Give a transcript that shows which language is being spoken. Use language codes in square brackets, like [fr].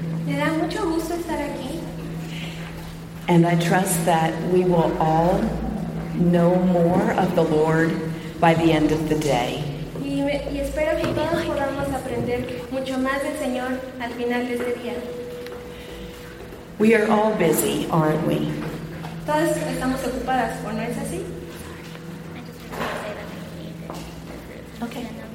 [es] Me da mucho gusto estar aquí. [en] And I trust that we will all know more of the Lord by the end of the day. [es] Y espero que todos podamos aprender mucho más del Señor al final de este día. [en] We are all busy, aren't we? [es] Todas estamos ocupadas, ¿o no es así? [en] Okay.